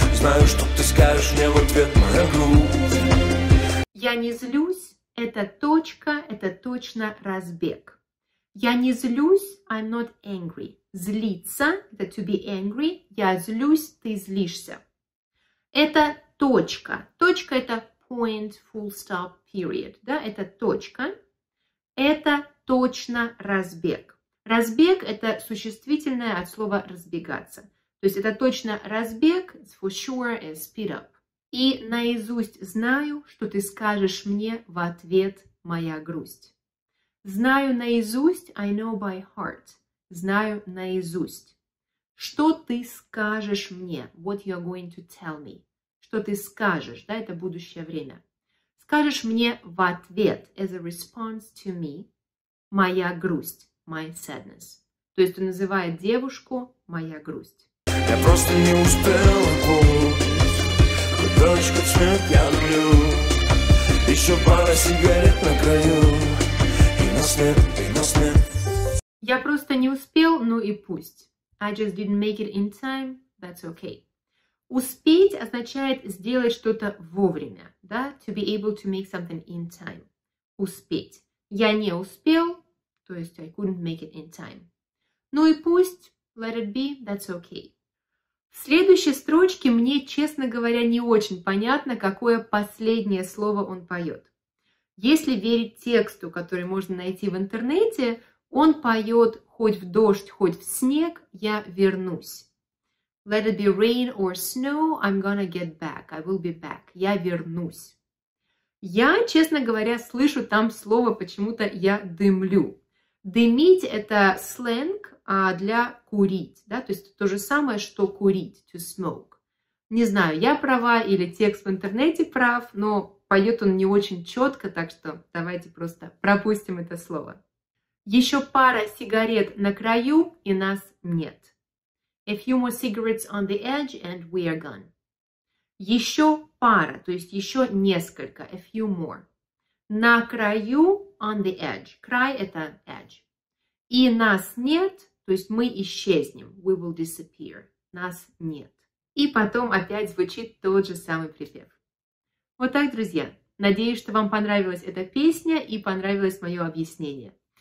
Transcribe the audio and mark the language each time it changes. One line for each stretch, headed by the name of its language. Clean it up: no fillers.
Russian: Знаю, что ты скажешь мне в ответ, моя грусть. Я не злюсь, эта точка, это точно разбег. Я не злюсь,
English: I'm not angry.
Russian: Злиться, это
English: to be angry,
Russian: я злюсь, ты злишься. Это точка. Точка это
English: point, full stop, period.
Russian: Да? Это точка. Это точно разбег. Разбег это существительное от слова разбегаться. То есть это точно разбег,
English: it's for sure and speed up.
Russian: И наизусть знаю, что ты скажешь мне в ответ моя грусть. Знаю наизусть,
English: I know by heart.
Russian: Знаю наизусть. Что ты скажешь мне?
English: What you're going to tell me.
Russian: Что ты скажешь, да, это будущее время. Скажешь мне в ответ,
English: as a response to me,
Russian: моя грусть,
English: my sadness.
Russian: То есть он называет девушку моя грусть. Я просто не успел путь, дочка цвет я люблю. Еще пара сигарет на краю, и на след, и на след. Я просто не успел, ну и пусть.
English: I just didn't make it in time, that's okay.
Russian: Успеть означает сделать что-то вовремя, да?
English: To be able to make something in time.
Russian: Успеть. Я не успел, то есть
English: I couldn't make it in time.
Russian: Ну и пусть,
English: let it be, that's okay.
Russian: В следующей строчке мне, честно говоря, не очень понятно, какое последнее слово он поет. Если верить тексту, который можно найти в интернете, он поет «Хоть в дождь, хоть в снег, я вернусь».
English: Let it be rain or snow, I'm gonna get back. I will be back.
Russian: Я вернусь. Я, честно говоря, слышу там слово почему-то «я дымлю». Дымить – это сленг для курить. Да? То есть то же самое, что курить,
English: to smoke.
Russian: Не знаю, я права или текст в интернете прав, но поет он не очень четко, так что давайте просто пропустим это слово. Еще пара сигарет на краю, и нас нет.
English: A few more cigarettes on the edge, and we are gone.
Russian: Еще пара, то есть еще несколько,
English: a few more.
Russian: На краю,
English: on the edge.
Russian: Край – это edge. И нас нет, то есть мы исчезнем.
English: We will disappear.
Russian: Нас нет. И потом опять звучит тот же самый припев. Вот так, друзья. Надеюсь, что вам понравилась эта песня и понравилось мое объяснение.